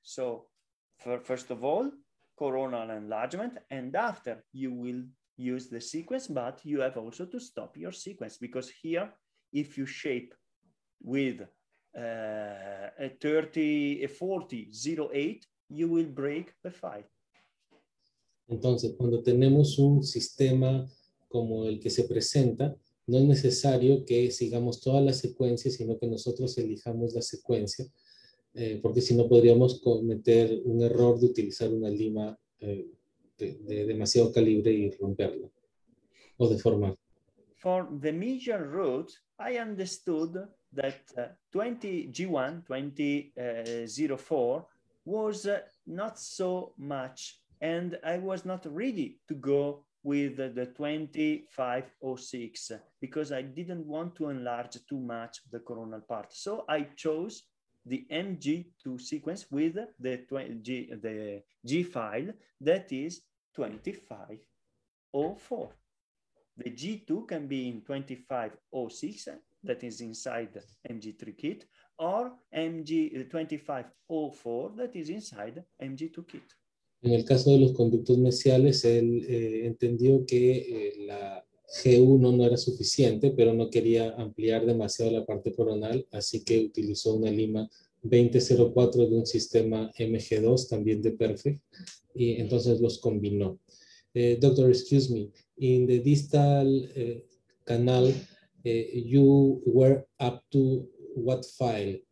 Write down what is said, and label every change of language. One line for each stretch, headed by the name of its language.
English: So first of all, coronal enlargement, and after you will use the sequence, but you have also to stop your sequence, because here, if you shape with a 30, a 40, 0.8, you will break the file.
Spanish: Entonces, cuando tenemos un sistema como el que se presenta, no es necesario que sigamos toda la secuencia, sino que nosotros elijamos la secuencia, porque si no podríamos cometer un error de utilizar una lima de demasiado calibre y romperla o deformar.
English: For the major route, I understood that 20G1, 20.04 was not so much, and I was not ready to go with the 25.06 because I didn't want to enlarge too much the coronal part. So I chose the MG2 sequence with the G file that is 25.04. The G2 can be in 25.06, that is inside the MG3 kit, or MG2504, that is inside the MG2 kit.
Spanish: En el caso de los conductos mesiales, él entendió que la G1 no era suficiente, pero no quería ampliar demasiado la parte coronal, así que utilizó una lima 2004 de un sistema MG2, también de Perfect, y entonces los combinó.
English: Doctor, excuse me, in the distal canal, you were up to what file?